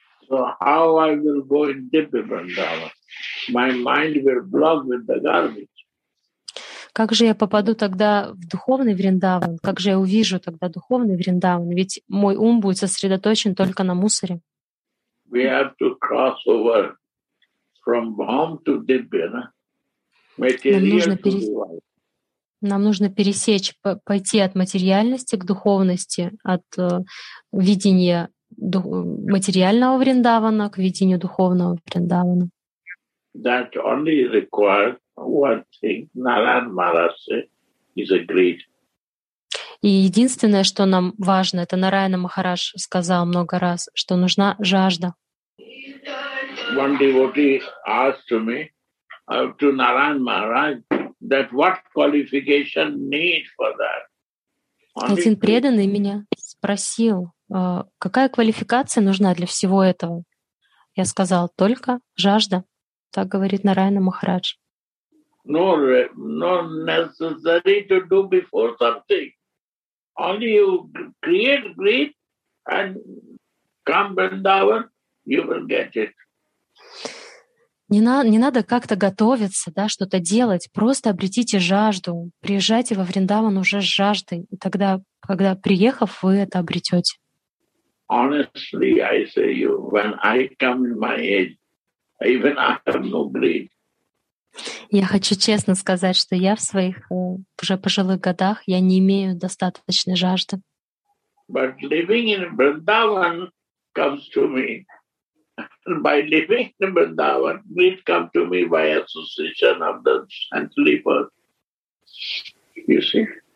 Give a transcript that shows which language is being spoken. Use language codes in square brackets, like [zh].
[en] So how I will go in Dibbe Vrindavan? My mind will block with the garbage. [ru] Как же я попаду тогда в духовный Вриндаван? Как же я увижу тогда духовный Вриндаван? Ведь мой ум будет сосредоточен только на мусоре. [en] We have to cross over from home to Dibya, make a near to the light. [ru] Нам нужно пересечь, пойти от материальности к духовности, от видения материального Вриндавана к видению духовного Вриндавана. [en] That only requires one thing. Наран Махараджа is agreed. [ru] И единственное, что нам важно, это Нараяна Махарадж сказал много раз, что нужна жажда. [en] One devotee asked me, to Наран Махарадж, that what qualification need for that? [ru] Один преданный меня спросил, какая квалификация нужна для всего этого? Я сказал, только жажда. Так говорит Нараяна Махарадж. [en] No necessary to do before something. Only you create greed and come Vrindavan, you will get it. [ru] Не надо как-то готовиться, да, что-то делать. Просто обретите жажду. Приезжайте во Вриндаван уже с жаждой. И тогда, когда приехав, вы это обретете. [en] Honestly, I say you, when I come in my age, even I have no greed. [ru] Я хочу честно сказать, что я в своих уже пожилых годах я не имею достаточной жажды. [en] But living in Vrindavan comes to me. By living in Vrindavan, greed comes to me by association of the saintly birth. You see?